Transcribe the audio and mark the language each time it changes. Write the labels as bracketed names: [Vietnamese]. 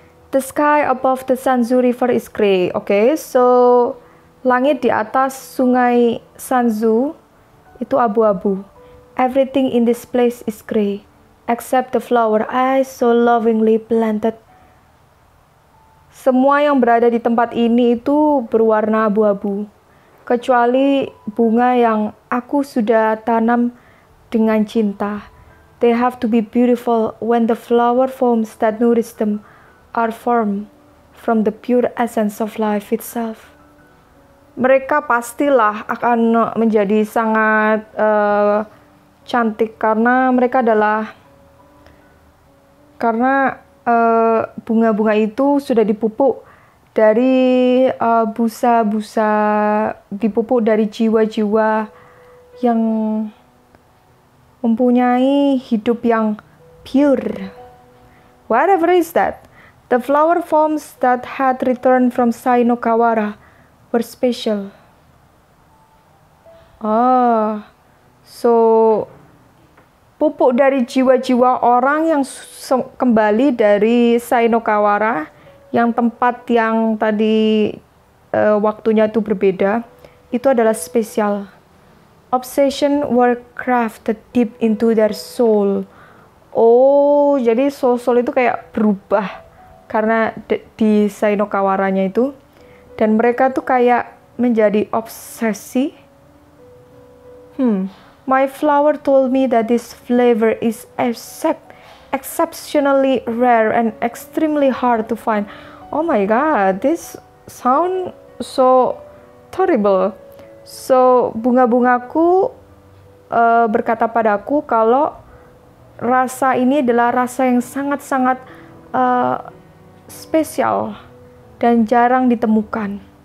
[English] The sky above the Sanzu River is gray. Okay, so [Indonesian] langit di atas Sungai Sanzu itu abu-abu. [English] Everything in this place is gray, except the flower I so lovingly planted. [Indonesian] Semua yang berada di tempat ini itu berwarna abu-abu. Kecuali bunga yang aku sudah tanam dengan cinta. [English] They have to be beautiful when the flower forms that nourish them are formed from the pure essence of life itself. [Indonesian] Mereka pastilah akan menjadi sangat cantik karena mereka adalah karena bunga-bunga itu sudah dipupuk dari busa-busa, dipupuk dari jiwa-jiwa yang mempunyai hidup yang pure. [English] Whatever is that, the flower forms that had returned from Sainokawara were special. [Indonesian] Oh, so pupuk dari jiwa-jiwa orang yang kembali dari Sainokawara, yang tempat yang tadi waktunya itu berbeda, itu adalah spesial. [English] Obsession were crafted deep into their soul. [Indonesian] Oh, jadi soul-soul itu kayak berubah karena di Sainokawaranya itu. Dan mereka tuh kayak menjadi obsesi. [English] My flower told me that this flavor is exceptionally rare and extremely hard to find. Oh my god, this sound so terrible. [Indonesian] So, bunga-bungaku berkata padaku kalau rasa ini adalah rasa yang sangat-sangat spesial dan jarang ditemukan.